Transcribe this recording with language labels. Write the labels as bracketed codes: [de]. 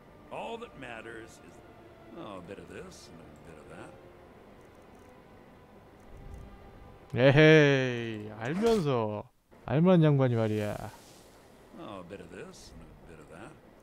[en] All that matters is a bit of this and a bit of that. [ko] 에헤이, 알면서 알만한 양반이 말이야. [en] A bit of this and a bit of that.